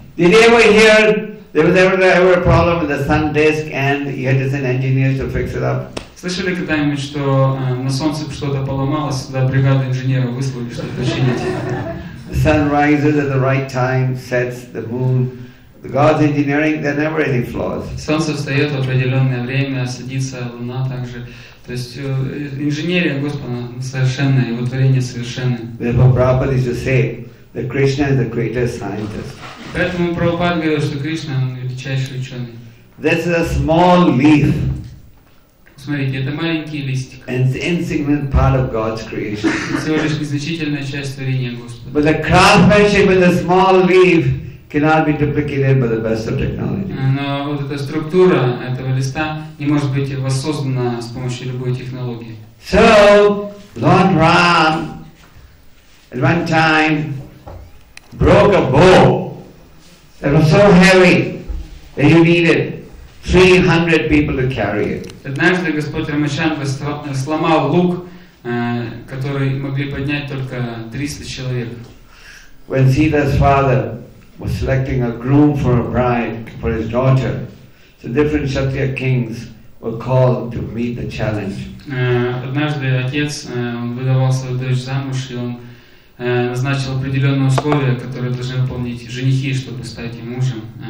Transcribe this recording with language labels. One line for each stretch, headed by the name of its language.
English: Did you ever hear there was ever a problem with the sun disk and you had to send engineers to fix it up?
Russian: Слышали когда-нибудь, что на солнце что-то поломалось, сюда бригада инженеров выслали, чтобы починить?
English: The sun rises at the right time, sets the moon. God's engineering, there never any flaws.
Russian: Солнце встает в определенное время, садится луна также. То есть инженерия Господа совершенная, его творение совершенное.
English: Therefore, Prabhupada used to say, that Krishna is the greatest scientist.
Russian: Поэтому Прабхупада говорил, что Кришна величайший ученый.
English: This is a small leaf.
Russian: Смотрите, это маленький листик.
English: And it's an insignificant part of God's creation.
Russian: Всего лишь незначительная часть творения Господа.
English: But the craftsmanship in the small leaf cannot be duplicated by the best of technology.
Russian: Но вот эта структура этого листа не может быть воссоздана с помощью любой технологии.
English: So, Lord Ram, at one time, broke a bow that was so heavy that you needed 300 people to carry it.
Russian: Однажды Господь Рамачандра сломал лук, который могли поднять только 300 человек.
English: When Sita's father was selecting a groom for a bride for his daughter, the different Kshatriya kings were called to meet the challenge.
Russian: Однажды отец выдавал свою дочь замуж, и он назначил определенные условия, которые должны выполнить женихи, чтобы стать им мужем.